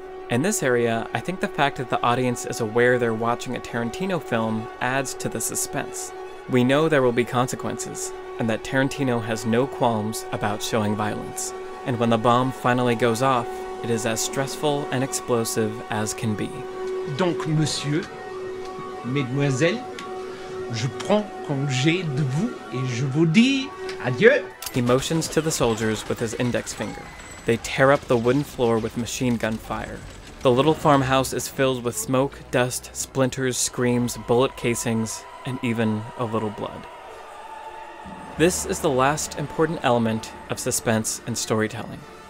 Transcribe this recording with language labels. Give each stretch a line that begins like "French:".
English: In this area, I think the fact that the audience is aware they're watching a Tarantino film adds to the suspense. We know there will be consequences, and that Tarantino has no qualms about showing violence. And when the bomb finally goes off, it is as stressful and explosive as can be.
French: Donc, monsieur, mesdemoiselles, je prends congé de vous et je vous dis adieu.
English: He motions to the soldiers with his index finger. They tear up the wooden floor with machine gun fire. The little farmhouse is filled with smoke, dust, splinters, screams, bullet casings, and even a little blood. This is the last important element of suspense and storytelling.